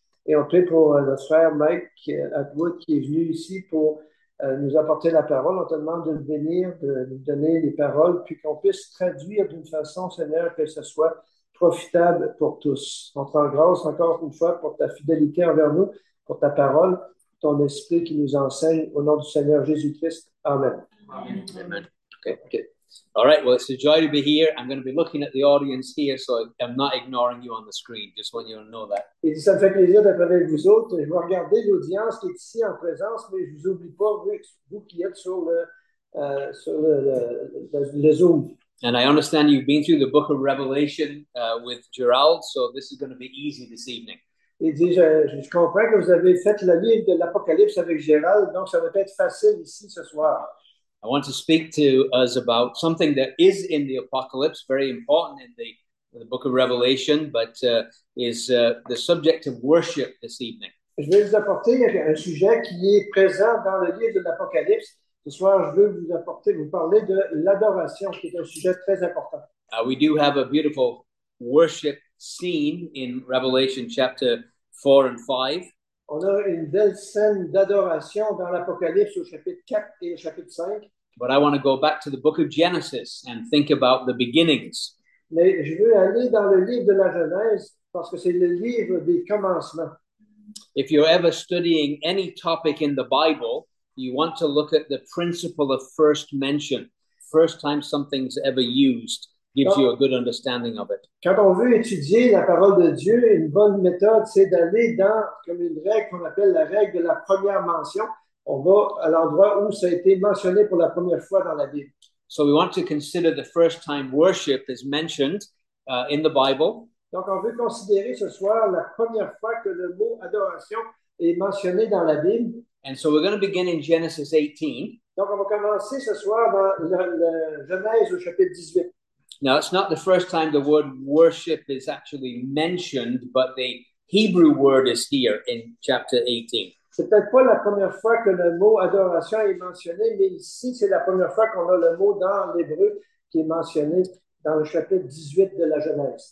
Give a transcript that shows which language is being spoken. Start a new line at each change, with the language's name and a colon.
French: Et on prie pour notre frère Mike Atwood qui est venu ici pour nous apporter la parole. On te demande de le bénir, de nous donner les paroles, puis qu'on puisse traduire d'une façon, Seigneur, que ce soit profitable pour tous. On te rend grâce encore une fois pour ta fidélité envers nous, pour ta parole, ton esprit qui nous enseigne au nom du Seigneur Jésus-Christ. Amen. Amen. Amen.
English: Okay. All right, well, it's a joy to be here. I'm going to be looking at the audience here, so I'm not ignoring you on the screen. Just want you to know that.
French: Et ça me fait plaisir d'être avec vous autres. Je vais regarder l'audience qui est ici en présence, mais je ne vous oublie pas, vous qui êtes sur le Zoom.
English: And I understand you've been through the book of Revelation with Gerald, so this is going to be easy this evening.
French: Il dit, je comprends que vous avez fait le livre de l'Apocalypse avec Gérald, donc ça va être facile ici ce soir.
English: I want to speak to us about something that is in the Apocalypse, very important in the book of Revelation, but is the subject of worship this evening.
French: Je vais vous apporter un sujet qui est présent dans le livre de l'Apocalypse. Ce soir, je veux vous parler de l'adoration, qui est un sujet très important.
English: We do have a beautiful worship scene in Revelation chapter 4 and 5.
French: On a une belle scène d'adoration dans l'Apocalypse au chapitre 4 et au chapitre 5.
English: But I want to go back to the book of Genesis and think about the beginnings.
French: Mais je veux aller dans le livre de la Genèse parce que c'est le livre des commencements.
English: If you're ever studying any topic in the Bible, you want to look at the principle of first mention. First time something's ever used gives you a good understanding of it.
French: Quand on veut étudier la parole de Dieu, une bonne méthode, c'est d'aller dans comme une règle qu'on appelle la règle de la première mention. On va à l'endroit où ça a été mentionné pour la première fois dans la Bible.
English: So we want to consider the first time worship is mentioned in the Bible.
French: Donc on veut considérer ce soir la première fois que le mot adoration est mentionné dans la Bible.
English: And so we're going to begin in Genesis 18.
French: Donc on va commencer ce soir dans la Genèse au chapitre 18.
English: Now, it's not the first time the word worship is actually mentioned, but the Hebrew word is here in chapter 18.
French: C'est peut-être pas la première fois que le mot adoration est mentionné, mais ici, c'est la première fois qu'on a le mot dans l'hébreu qui est mentionné dans le chapitre 18 de la Genèse.